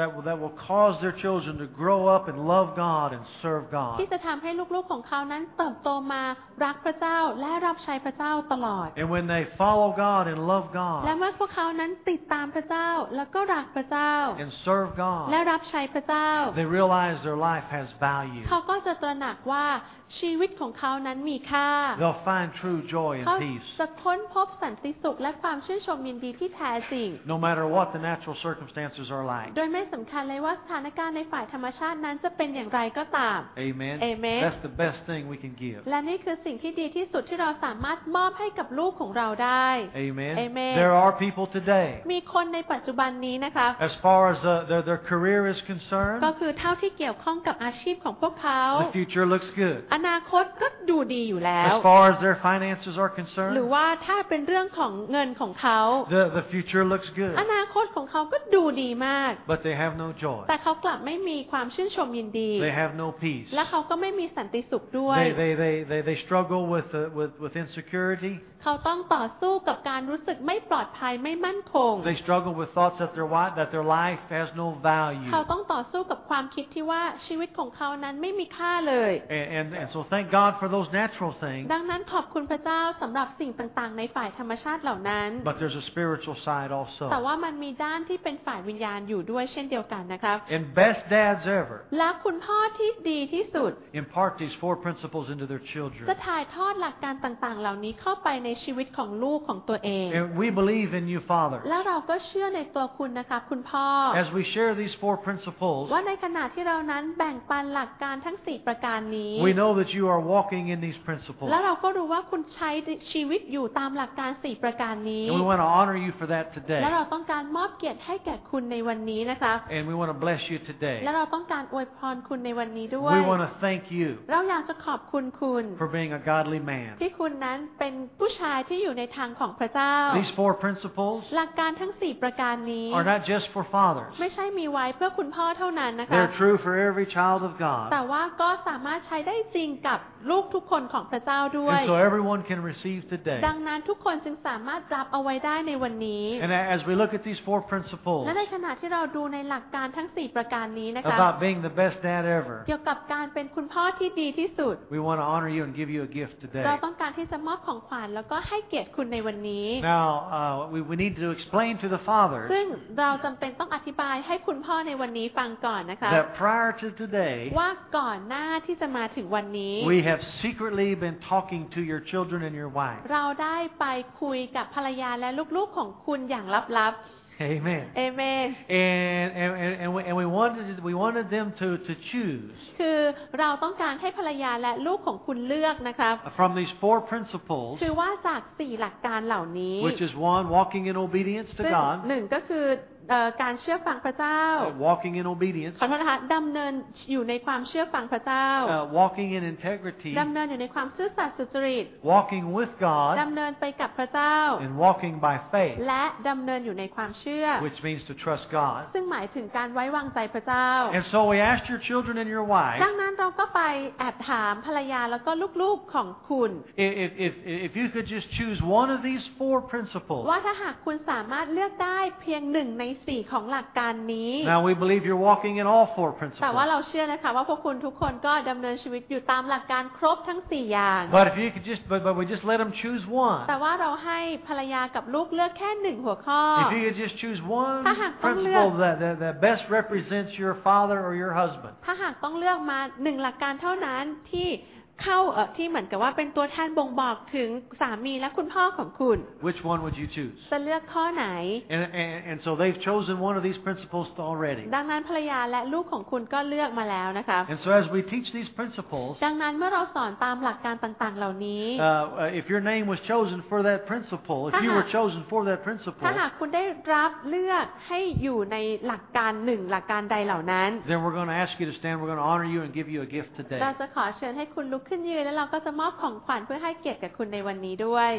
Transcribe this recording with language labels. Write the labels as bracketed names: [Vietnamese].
[English] that will cause their children to grow up and love God and serve God [Thai] ที่จะทำให้ลูกๆของเขานั้นเติบโตมารักพระเจ้าและรับใช้พระเจ้าตลอด [English] And when they follow God and love God [Thai] และเมื่อพวกเขานั้นติดตามพระเจ้าแล้วก็รักพระเจ้า [English] and serve God [Thai] และรับใช้พระเจ้า [English] they realize their life has value [Thai] เขาก็จะตระหนักว่าชีวิตของเขานั้นมีค่า [English] They'll find true joy and peace [Thai] เขาจะค้นพบสันติสุขและความชื่นชมยินดีที่แท้จริง [English] No matter what the natural circumstances are like [Thai] โดยไม่สำคัญเลยว่าสถานการณ์ในฝ่ายธรรมชาตินั้นจะเป็นอย่างไรก็ตาม [English] Amen Amen That's the best thing we can give [Thai] และนี่คือสิ่งที่ดีที่สุดที่เราสามารถมอบให้กับลูกของเราได้ [English] Amen Amen There are people today [Thai] มีคนในปัจจุบันนี้นะคะ [English] As far as their career is concerned [Thai] ก็คือเท่าที่เกี่ยวข้องกับอาชีพของพวกเขา [English] The future looks good [Thai] อนาคตก็ดูดีอยู่แล้ว [English] As far as their finances are concerned [Thai] หรือว่าถ้าเป็นเรื่องของเงินของเขา [English] The future looks good [Thai] อนาคตของเขาก็ดูดีมาก [English] But they have no joy [Thai] แต่เขากลับไม่มีความชื่นชมยินดี [English] They have no peace [Thai] และเขาก็ไม่มีสันติสุขด้วย [English] They struggle with insecurity [Thai] เขาต้องต่อสู้กับการรู้สึกไม่ปลอดภัยไม่มั่นคง [English] They struggle with thoughts that their life has no value [Thai] เขาต้องต่อสู้กับความคิดที่ว่าชีวิตของเขานั้นไม่มีค่าเลย [English] And so thank God for those natural things [Thai] ดังนั้นขอบคุณพระเจ้าสำหรับสิ่งต่างๆในฝ่ายธรรมชาติเหล่านั้น [English] But there's a spiritual side also [Thai] แต่ว่ามันมีด้านที่เป็นฝ่ายวิญญาณอยู่ด้วยเช่นเดียวกันนะครับ [English] And best dads ever [Thai] และคุณพ่อที่ดีที่สุด [English] impart these four principles into their children [Thai] จะถ่ายทอดหลักการ ต่างๆเหล่านี้เข้าไปในชีวิตของลูกของตัวเอง [English] We believe in you Father [Thai] และเราก็เชื่อในตัวคุณนะคะคุณพ่อ [English] As we share these four principles [Thai] ว่าในขณะที่เรานั้นแบ่งปันหลักการทั้ง4ประการนี้ [English] We know that you are walking in these principles [Thai] และเราก็รู้ว่าคุณใช้ชีวิตอยู่ตามหลักการ4ประการนี้ [English] We want to honor you for that today [Thai] และเราต้องการมอบเกียรติให้แก่คุณในวันนี้นะคะ [English] And we want to bless you today [Thai] และเราต้องการอวยพรคุณในวันนี้ด้วย [English] We want to thank you [Thai] เราอยากจะขอบคุณคุณ [English] For being a godly man [Thai] ที่คุณนั้นเป็นผู้ชายที่อยู่ในทางของพระเจ้า [English] These four principles [Thai] หลักการทั้ง4ประการนี้ [English] are not just for fathers [Thai] ไม่ใช่มีไว้เพื่อคุณพ่อเท่านั้นนะคะ [English] They're true for every child of God [Thai] แต่ว่าก็สามารถใช้ได้จริงกับลูกทุกคนของพระเจ้าด้วย [English] And so everyone can receive today [Thai] ดังนั้นทุกคนจึงสามารถรับเอาไว้ได้ในวันนี้ [English] And as we look at these four principles [Thai] และในขณะที่เราดูในหลักการทั้ง4ประการนี้นะคะ [English] about being the best dad ever [Thai] เกี่ยวกับการเป็นคุณพ่อที่ดีที่สุด [English] We want to honor you and give you a gift today [Thai] เราต้องการที่จะมอบของขวัญแล้วก็ให้เกียรติคุณในวันนี้ [English] Now we need to explain to the father [Thai] ซึ่งเราจำเป็นต้องอธิบายให้คุณพ่อในวันนี้ฟังก่อนนะคะ [English] That prior to today [Thai] ว่าก่อนหน้าที่จะมาถึงวันนี้ [English] We have secretly been talking to your children and your wife [Thai] เราได้ไปคุยกับภรรยาและลูกๆของคุณอย่างลับๆ [English] Amen Amen and we wanted them to choose [Thai] คือเราต้องการให้ภรรยาและลูกของคุณเลือกนะครับ [English] From these four principles [Thai] คือว่าจาก4หลักการเหล่านี้ [English] Which is one walking in obedience to God [Thai] 1ก็คือการเชื่อฟังพระเจ้า [English] walking in obedience [Thai] ขอโทษนะคะดำเนินอยู่ในความเชื่อฟังพระเจ้า [English] walking in integrity [Thai] ดำเนินอยู่ในความซื่อสัตย์สุจริต [English] walking with God [Thai] ดำเนินไปกับพระเจ้า [English] and walking by faith [Thai] และดำเนินอยู่ในความเชื่อ [English] which means to trust God [Thai] ซึ่งหมายถึงการไว้วางใจพระเจ้า [English] and so we asked your children and your wife [Thai] ดังนั้นเราก็ไปแอบถามภรรยาแล้วก็ลูกๆของคุณ [English] if you could just choose one of these four principles [Thai] ว่าถ้าหากคุณสามารถเลือกได้เพียง1ในสี่ของหลักการนี้ [English] Now we believe you're walking in all four principles [Thai] แต่ว่าเราเชื่อนะคะว่าพวกคุณทุกคนก็ดำเนินชีวิตอยู่ตามหลักการครบทั้ง4อย่าง [English] But if you could just but we just let them choose one [Thai] แต่ว่าเราให้ภรรยากับลูกเลือกแค่1หัวข้อ [English] If you could just choose one principle that best represents your father or your husband [Thai] ถ้าหากต้องเลือกมา1หลักการเท่านั้นที่เข้าที่เหมือนกับว่าเป็นตัวแทนบ่งบอกถึงสามีและคุณพ่อของคุณ [English] Which one would you choose? [Thai] จะเลือกข้อไหน [English] And so they've chosen one of these principles already. [Thai] ดังนั้นภรรยาและลูกของคุณก็เลือกมาแล้วนะคะ [English] And so as we teach these principles [Thai] ดังนั้นเมื่อเราสอนตามหลักการต่างๆเหล่านี้ [English] if your name was chosen for that principle if you were chosen for that principle [Thai] ถ้าหากคุณได้รับเลือกให้อยู่ในหลักการ1หลักการใดเหล่านั้น [English] Then we're going to ask you to stand we're going to honor you and give you a gift today [Thai] เราจะขอเชิญให้คุณลุกขึ้นยืนแล้วเราก็จะมอบของขวัญเพื่อให้เกียรติกับคุณในวันนี้ด้วย